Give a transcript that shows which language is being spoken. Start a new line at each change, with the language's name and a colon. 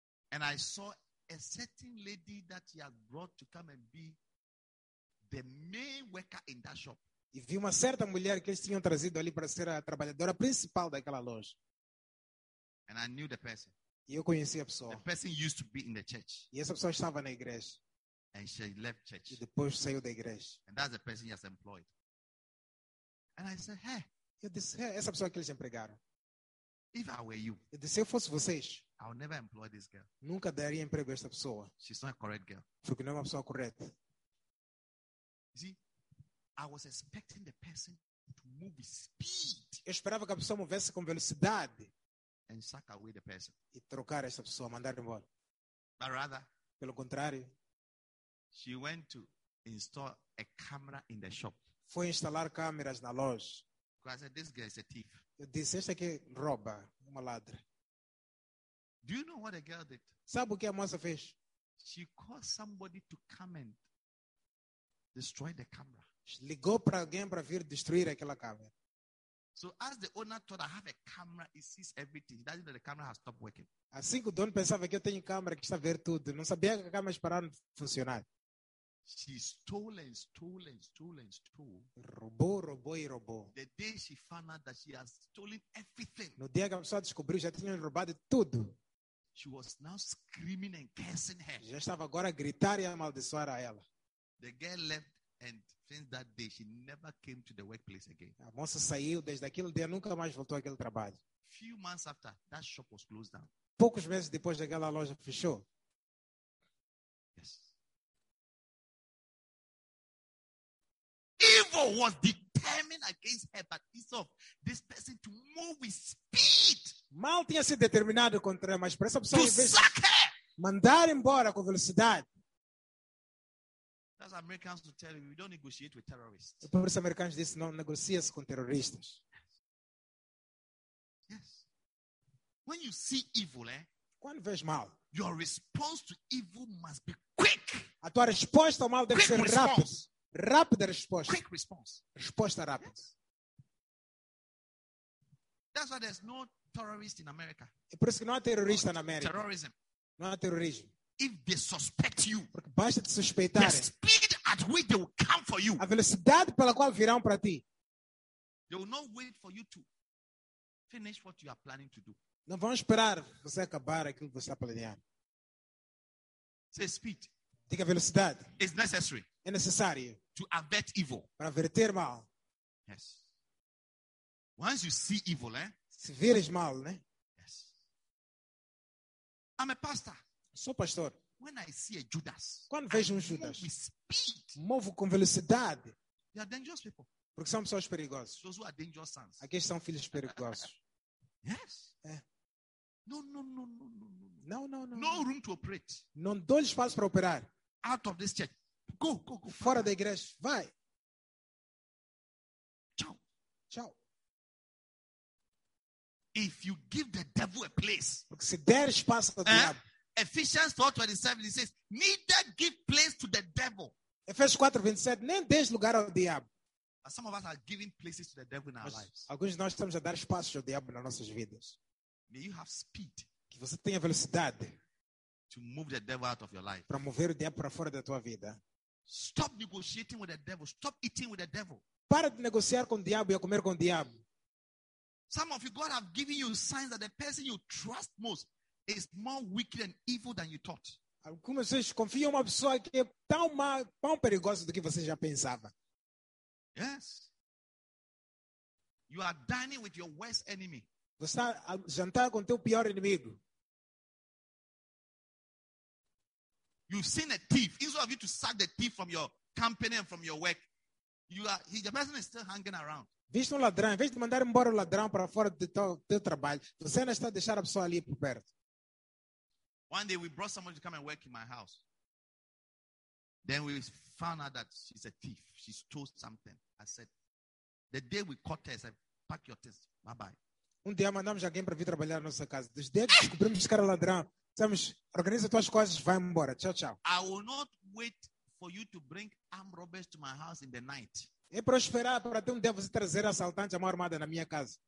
English: And I saw a certain lady that he had brought to come and be the main worker in that shop.
Portuguese: E vi uma certa mulher que eles tinham trazido ali para ser a trabalhadora principal daquela loja.
English: And I knew the person.
Portuguese: E eu conheci a pessoa.
English: The person used to be in the church.
Portuguese: E essa pessoa estava na igreja.
English: And she left church.
Portuguese: E depois saiu da igreja.
English: And that's the person he has employed. And I said, hey.
Portuguese: Eu disse, hey, essa pessoa que eles empregaram.
English: If I were you,
Portuguese: eu disse, se eu fosse vocês,
English: I would never employ this girl.
Portuguese: Nunca daria emprego a essa pessoa.
English: She's not a correct girl.
Portuguese: Porque não é uma pessoa correta.
English: See? I was expecting the person to move with speed.
Portuguese: Eu esperava que a pessoa movesse com velocidade.
English: And suck away the person.
Portuguese: E trocar essa pessoa, mandar embora.
English: But rather,
Portuguese: pelo contrário,
English: she went to install a camera in the shop.
Portuguese: Foi instalar câmeras na loja.
English: Because I said, this girl is a thief.
Portuguese: Eu disse, esta aqui rouba, uma ladra.
English: Do you know what a girl did?
Portuguese: Sabe o que a moça fez?
English: She called somebody to come and destroy the camera.
Portuguese: Ligou para alguém para vir destruir aquela câmera.
English: So as the owner thought I have a camera, he sees everything. That is that the camera has stopped working.
Portuguese: Assim que o dono pensava que eu tenho câmera que está a ver tudo, não sabia que a câmera parava de funcionar.
English: She stole and stole and stole and stole.
Portuguese: Roubou, roubou e roubou.
English: The day she found out that she has stolen everything.
Portuguese: No dia que a pessoa descobriu já tinha roubado tudo.
English: She was now screaming and cursing her.
Portuguese: Já estava agora a gritar e a amaldiçoar a ela.
English: The girl left. And since that day, she never came to the workplace again.
Portuguese: A moça saiu desde aquele dia, nunca mais voltou àquele trabalho.
English: Few months after, that shop was closed down.
Portuguese: Poucos meses depois, aquela loja fechou.
English: Yes. Evil was determined against her, but instead of this person to move with speed.
Portuguese: Mal tinha sido determinado contra ela, mas para essa pessoa,
English: to suck her.
Portuguese: Mandar embora com velocidade.
English: As Americans to tell you, we don't negotiate with terrorists.
Portuguese: O povo americano diz, não negocia com terroristas.
English: Yes. When you see evil,
Portuguese: quando vês mal,
English: your response to evil must be quick.
Portuguese: A tua resposta ao mal deve ser rápida. Rápida resposta.
English: Quick response.
Portuguese: Resposta rápida.
English: Yes. That's why there's no terrorist in America.
Portuguese: É por isso que não há terrorista na América.
English: Terrorism.
Portuguese: Não há terrorismo.
English: If they suspect you,
Portuguese: porque basta te suspeitar,
English: the speed at which they will come for you,
Portuguese: a velocidade pela qual virão para ti,
English: they will not wait for you to finish what you are planning to do.
Portuguese: Não vão esperar você acabar aquilo que você está planejando.
English: Say speed.
Portuguese: Diga velocidade.
English: It's necessary.
Portuguese: É necessário.
English: To avert evil.
Portuguese: Para averter mal.
English: Yes. Once you see evil,
Portuguese: se vires mal,
English: Yes. I'm a pastor.
Portuguese: Sou pastor.
English: When I see a Judas,
Portuguese: quando vejo Judas,
English: move with speed.
Portuguese: Movo com velocidade.
English: They are dangerous people.
Portuguese: Porque são pessoas perigosas.
English: Those who are dangerous sons.
Portuguese: Aqueles são filhos perigosos.
English: Yes. No. No room to operate.
Portuguese: Não dou-lhe espaço para operar.
English: Out of this church. Go.
Portuguese: Fora da igreja. Vai. Tchau. Tchau.
English: If you give the devil a place.
Portuguese: Porque se der espaço ao diabo.
English: Ephesians 4:27 says, neither give place to the devil.
Portuguese: Ephesians 4:27, nem deixe lugar ao diabo.
English: Some of us are giving places to the devil in our lives.
Portuguese: Alguns de nós estamos a dar espaço ao diabo nas nossas vidas.
English: May you have speed.
Portuguese: Que você tenha velocidade.
English: To move the devil out of your life.
Portuguese: Para mover o diabo para fora da tua vida.
English: Stop negotiating with the devil. Stop eating with the devil.
Portuguese: Para de negociar com o diabo e a comer com o diabo.
English: Some of you, God have given you signs that the person you trust most is more wicked and evil than you thought.
Portuguese: Algumas vezes confiam em uma pessoa que é tão perigosa do que você já pensava.
English: Yes. You are dining with your worst enemy.
Portuguese: Você está a jantar com teu pior inimigo.
English: You've seen a thief. Instead of you to sack the thief from your company and from your work, the person is still hanging around.
Portuguese: Viste ladrão. Em vez de mandar embora o ladrão para fora do teu trabalho, você ainda está a deixar a pessoa ali por perto.
English: One day we brought somebody to come and work in my house. Then we found out that she's a thief. She stole something. I said, the day we caught her, I said, pack your things. Bye-bye.
Portuguese: Um dia mandamos alguém para vir trabalhar na nossa casa. Dos dedos descobrimos que era ladrão. Dizemos, organiza tuas coisas, vai embora. Tchau, tchau.
English: I will not wait for you to bring armed robbers to my house in the night.
Portuguese: É para esperar para ter dia você trazer assaltantes à mão armada na minha casa.